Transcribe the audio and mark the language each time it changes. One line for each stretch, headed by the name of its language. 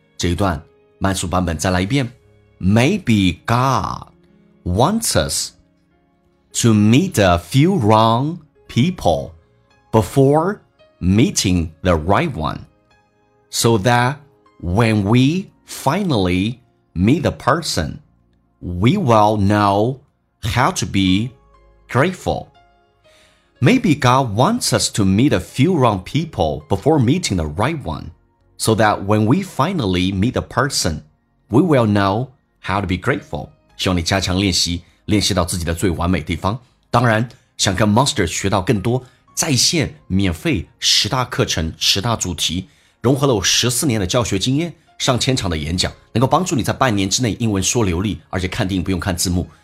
Chinese: 这一段慢速版本再来一遍。
English: Maybe God wants us to meet a few wrong people before meeting the right one, so that when we finally meet the person, we will know how to be grateful. Maybe God wants us to meet a few wrong people before meeting the right one, so that when we finally meet the person, we will know how to be grateful.
Chinese: 希望你加强练习，练习到自己的最完美地方。当然，想跟 Monster 学到更多在线免费十大课程、十大主题，融合了我14年的教学经验，上千场的演讲，能够帮助你在半年之内英文说流利，而且看电影不用看字幕。